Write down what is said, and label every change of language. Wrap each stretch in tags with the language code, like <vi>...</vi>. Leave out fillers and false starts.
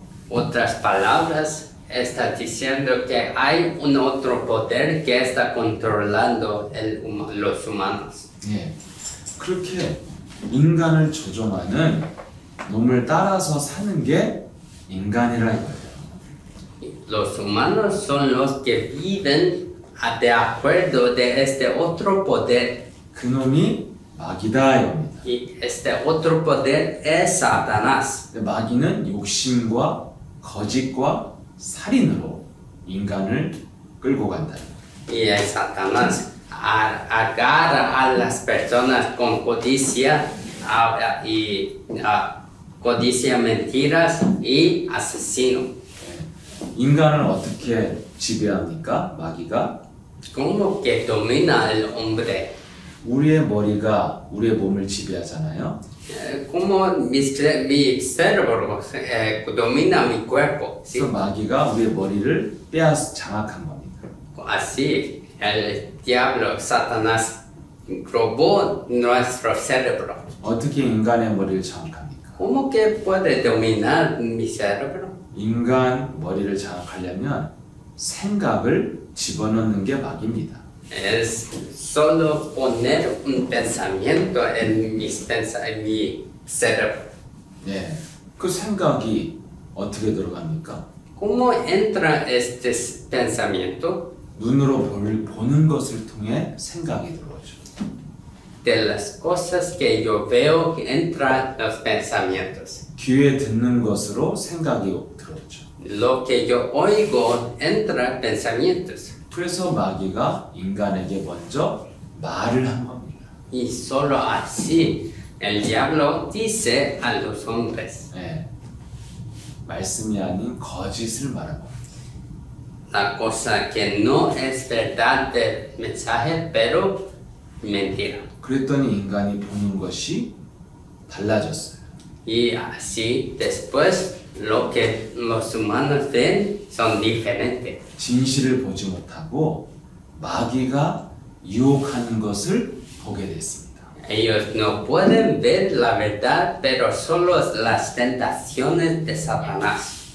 <es>Otras palabras está diciendo que hay un otro poder que está controlando los humanos.</es> <ko>예, 그렇게 인간을 조종하는 놈을 따라서 사는 게 인간이라는 거예요.</ko> <es>Los humanos son los que viven de acuerdo de este otro poder.</es> <ko>그 놈이 마귀다.</ko> <es>Este otro poder es Satanás.</es> <ko>마귀는 욕심과 거짓과 살인으로 인간을 끌고 간다.</ko> <es>Y el Satanás agarra a las personas con codicia y codicia mentiras y asesino.</es> <ko>인간을 어떻게 지배합니까? 마귀가?</ko> <es>¿Cómo que domina el hombre?</es> <ko>우리의 머리가 우리의 몸을 지배하잖아요.</ko> <es>Como mi cerebro domina mi cuerpo.</es> <ko>그래서 마귀가 우리의 머리를 빼앗아 장악한 겁니다.</ko> <es>Así el diablo Satanás robó nuestro cerebro.</es> <ko>어떻게 인간의 머리를 장악합니까?</ko> <es>Como que puede dominar mi cerebro?</es> <ko>인간 머리를 장악하려면 생각을 집어넣는 게 막입니다.</ko> <es>Es solo poner un pensamiento en mis cerebro.</es> <ko>네. 그 생각이 어떻게 들어갑니까?</ko> <es>¿Cómo entra este pensamiento?</es> <ko>눈으로 보는 것을 통해 생각이 들어오죠.</ko> <es>De las cosas que yo veo entra los pensamientos.</es> <ko>귀에 듣는 것으로 생각이 들어오죠.</ko> <es>Lo que yo oigo entra pensamientos.</es> <ko>그래서 마귀가 인간에게 먼저 말을 한 겁니다.</ko> <es>Y solo así el diablo dice a los hombres.</es> <ko>네. 말씀이 아닌 거짓을 말하고.</ko> <es>La cosa que no es verdad del mensaje, pero mentira.</es> <ko>그랬더니 인간이 보는 것이 달라졌어요.</ko> <es>Y así, después, lo que los humanos ven son diferentes.</es> <ko>진실을 보지 못하고 마귀가 유혹하는 것을 보게 됐습니다.</ko> <es>Ellos no pueden ver la verdad, pero solo las tentaciones de Satanás.</es>